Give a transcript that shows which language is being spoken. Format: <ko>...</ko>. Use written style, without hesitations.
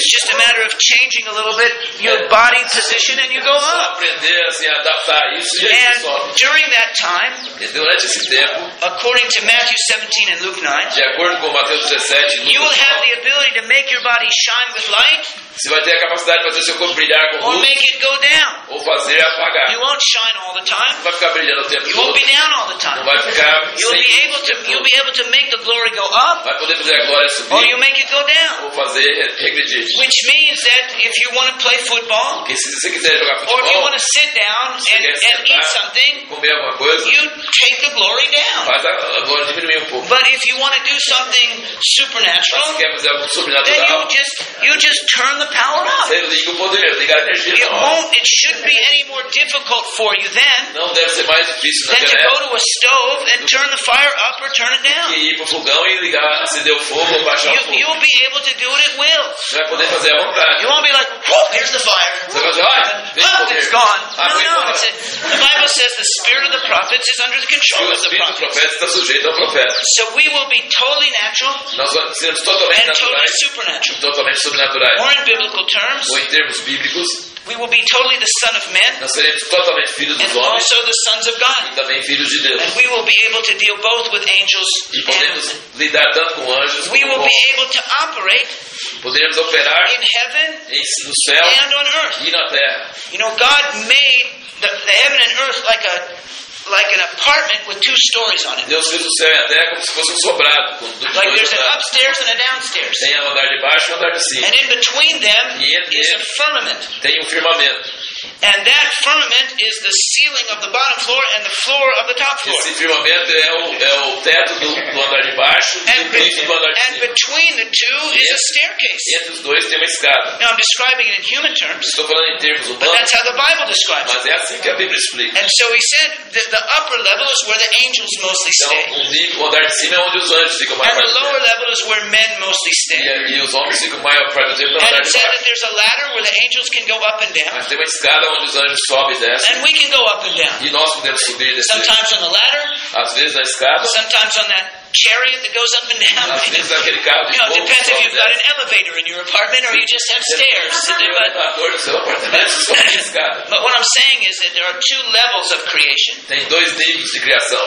<en>It's just a matter of changing a little bit your body position and you go up.</en> <pt>Aprender assim, adaptar isso e</pt> <en>and during that time,</en> <pt>durante esse tempo,</pt> <en>according to Matthew 17 and Luke 9,</en> <pt>de acordo com Mateus 17,</pt> <en>you will have the ability to make your body shine with light.</en> <pt>Você vai ter a capacidade de fazer seu corpo brilhar com luz.</pt> <en>Or make it go down.</en> <pt>Ou fazer apagar.</pt> <en>You won't shine all the time.</en> <pt>Não vai ficar brilhando o tempo todo.</pt> <en>You won't be down all the time.</en> <pt>Não vai ficar</pt> <en>You'll be able to make the glory go up.</en> <pt>Vai poder fazer a glória subir.</pt> <en>Or you make it go down.</en> <pt>Ou fazer regredir.</pt> <en>Which means that if you want to play football,</en> <pt>que se você quiser jogar futebol,</pt> <en>or if you want to sit down and eat something,</en> <pt>comer alguma coisa,</pt> <en>you take the glory down.</en> <pt>Faz a glória diminuir pouco.</pt> <en>But if you want to do something supernatural,</en> <pt>se quer fazer algo sobrenatural,</pt> <en>then you just turn the power up.</en> <pt>Você liga o poder, liga a energia.</pt> <en>It shouldn't be any more difficult for you then</en> <pt>não deve ser mais difícil</pt> <en>than to go to a stove and turn the fire up or turn it down.</en> <pt>Ir para o fogão e ligar, acender o fogo ou baixar o fogo.</pt> <en>You'll be able to do it at will.</en> <pt>Você vai poder fazer à vontade.</pt> <en>You won't be like, whoop, here's the fire.</en> <pt>Você vai dizer,</pt> <en>it's gone. No, the Bible says the spirit of the prophets is under the control of the prophets.</en> <pt>O espírito do profeta está sujeito ao profeta.</pt> <en>So we will be totally natural.</en> <pt>Nós seremos totalmente naturais.</pt> <en>Totally supernatural.</en> <pt>Totalmente sobrenaturais.</pt> <en>Or in biblical terms.</en> <pt>Ou em termos bíblicos.</pt> <en>We will be totally the son of men.</en> <pt>Nós seremos totalmente filhos dos homens.</pt> <en>And also the sons of God.</en> <pt>E também filhos de Deus.</pt> <en>And we will be able to deal both with angels.</en> <pt>E podemos lidar tanto com anjos.</pt> <en>We will be able to operate.</en> <pt>Poderemos operar</pt> <en>in heaven</en> <pt>no céu</pt> <en>and on earth.</en> <pt>E na terra.</pt> <en>You know, God made the heaven and earth like an apartment with two stories on it.</en> <pt>Deus fez o céu e a terra como se fosse um sobrado.</pt> <en>Like there's an upstairs and a downstairs.</en> <pt>Tem um andar de baixo e um andar de cima.</pt> <en>And in between them is a firmament.</en> <pt>Tem um firmamento.</pt> <en>And that firmament is the ceiling of the bottom floor and the floor of the top floor.</en> <pt>Esse firmamento é o teto do andar de baixo e o piso do andar de cima.</pt> <en>And between the two is a staircase.</en> <pt>E entre os dois tem uma escada.</pt> <en>Now I'm describing it in human terms.</en> <pt>Estou falando em termos humanos.</pt> <en>But that's how the Bible describes it.</en> <pt>Mas é assim que a Bíblia explica.</pt> <en>And so he said that the upper level is where the angels mostly stay.</en> <pt>Então, o andar de cima é onde os anjos ficam maior.</pt> <en>And the lower level is where men mostly stay.</en> <pt>E os homens ficam maior para dentro do andar de baixo.</pt> <en>And he said that there's a ladder where the angels can go up and down.</en> <pt>Mas tem uma escada onde os anjos sobem e descem.</pt> <en>And we can go up and down.</en> <pt>E nós podemos subir e descer.</pt> <en>Sometimes on the ladder.</en> <pt>Às vezes na escada.</pt> <en>Sometimes on that chariot that goes up and down.</en> <pt>Às vezes naquele carro de fogo.</pt> <en>You know, depends if you've got an elevator in your apartment or you just have stairs. But what I'm saying is that there are two levels of creation.</en> <pt>Tem dois níveis de criação.</pt>